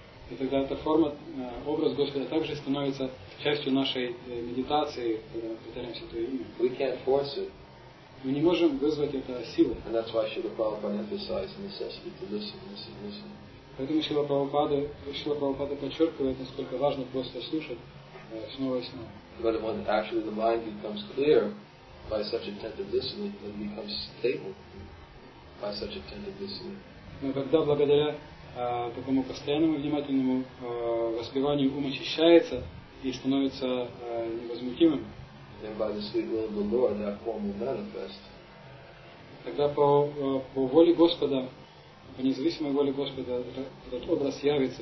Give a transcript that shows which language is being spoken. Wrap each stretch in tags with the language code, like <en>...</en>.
<ru>И тогда эта форма, образ Господа, также становится частью нашей медитации, когда мы повторяем святое имя.</ru> <en>We can't force it.</en> <ru>Мы не можем вызвать это силой.</ru> <en>And that's why Srila Prabhupada emphasized necessity to listen, listen, listen.</en> <ru>Поэтому Шрила Прабхупада подчеркивает, насколько важно просто слушать снова и снова.</ru> <en>But when actually the mind becomes clear by such attentive listening, then becomes stable by such attentive listening.</en> <ru>Но когда благодаря такому постоянному внимательному воспеванию ум очищается и становится невозмутимым,</ru> <en>then by the sweet will of the Lord, that form will manifest.</en> <ru>Когда по воле Господа, по независимой воле Господа, этот образ явится</ru>